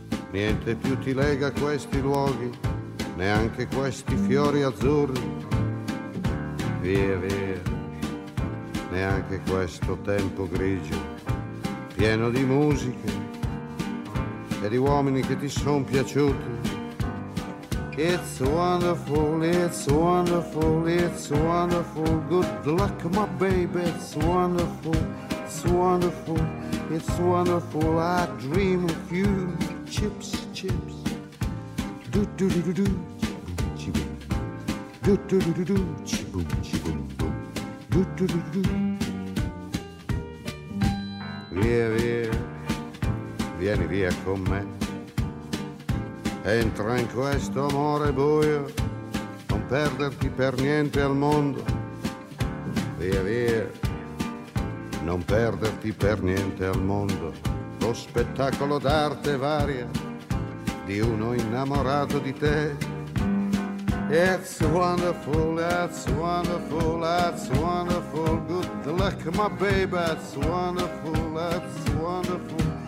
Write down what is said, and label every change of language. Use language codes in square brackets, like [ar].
[it] Niente più ti lega a questi luoghi, neanche questi fiori azzurri. Via, via, neanche questo tempo grigio, pieno di musiche e di uomini che ti sono piaciuti. [en] It's wonderful, it's wonderful, it's wonderful. Good luck, my baby, it's wonderful, it's wonderful, it's wonderful. I dream of you, chips, chips. Do-do-do-do-do, chibum-chibum. Do-do-do-do-do, chibum-chibum-bum. [it] Do-do-do-do-do. Via, via, vieni via con me. Entra in questo amore buio, non perderti per niente al mondo. Via, via, non perderti per niente al mondo. Lo spettacolo d'arte varia di uno innamorato di te. [en] It's wonderful, that's wonderful, that's wonderful. Good luck, my baby, that's wonderful, it's wonderful.